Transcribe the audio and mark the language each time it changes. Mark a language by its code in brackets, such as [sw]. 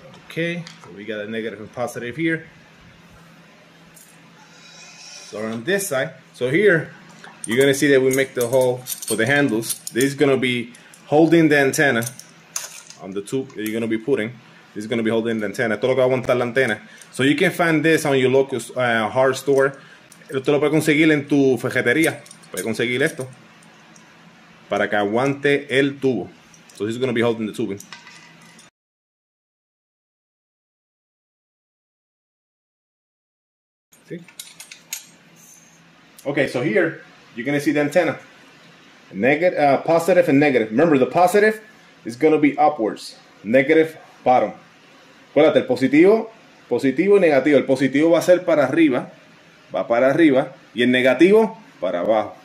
[en] Okay, so we got a negative and positive here. So on this side, so here, you're gonna see that we make the hole for the handles. This is gonna be holding the antenna on the tube that you're gonna be putting. This is gonna be holding the antenna. [es] Todo lo que va a aguantar la antena. [en] So you can find this on your local hard store. [es] Esto lo puedes conseguir en tu ferretería. Puedes conseguir esto para que aguante el tubo. [en] So this is gonna be holding the tubing. See? Okay, so here, you're gonna see the antenna, positive and negative. Remember, the positive is gonna be upwards, negative, bottom. [es] Acuérdate, el positivo, positivo y negativo. El positivo va a ser para arriba, va para arriba, y el negativo para abajo.